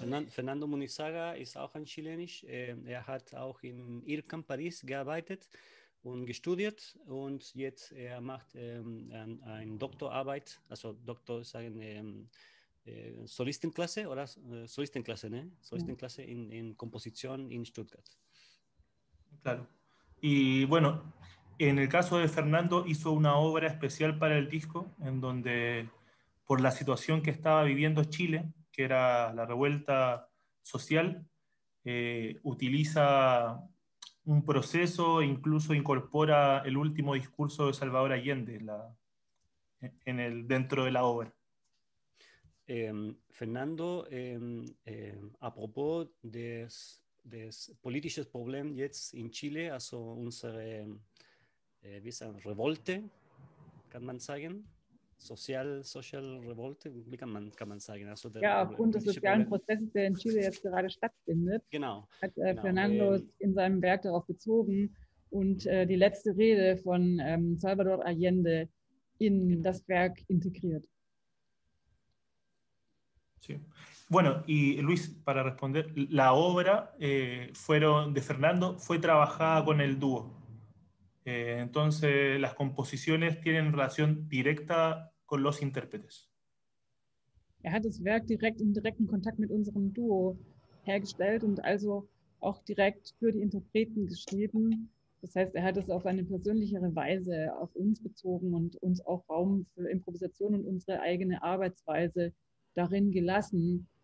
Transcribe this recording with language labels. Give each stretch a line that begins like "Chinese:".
German: Fernando Munizaga ist auch ein Chilenisch, hat auch in IRCAM Paris gearbeitet und gestudiert, und jetzt macht ein Doktorarbeit, also Doktor sagen Solistenklasse oder Solistenklasse, ne? Solistenklasse in Komposition in Stuttgart.
Spanish: Claro. Y bueno, en el caso de Fernando hizo una obra especial para el disco, en donde por la situación que estaba viviendo Chile, que era la revuelta social, utiliza un proceso, incluso incorpora el último discurso de Salvador Allende dentro de la obra.
German: Fernando, a propos des politischen Problems jetzt in Chile, also unsere Revolte, kann man sagen, Social Revolte, wie kann man sagen? Also der, ja, aufgrund des sozialen Prozesses, der in Chile jetzt gerade stattfindet, genau, hat Fernando in seinem Werk darauf bezogen und die letzte Rede von Salvador Allende in das Werk integriert.
Spanish: Sí. Bueno, y Luis, para responder, la obra de Fernando fue trabajada con el dúo. Entonces, las composiciones tienen relación directa con los intérpretes.
German: Hat das Werk direkt im direkten Kontakt mit unserem Duo hergestellt und also auch direkt für die Interpreten geschrieben. Das heißt, hat es auf eine persönlichere Weise auf uns bezogen und uns auch Raum für Improvisation und unsere eigene Arbeitsweise darin gelassen.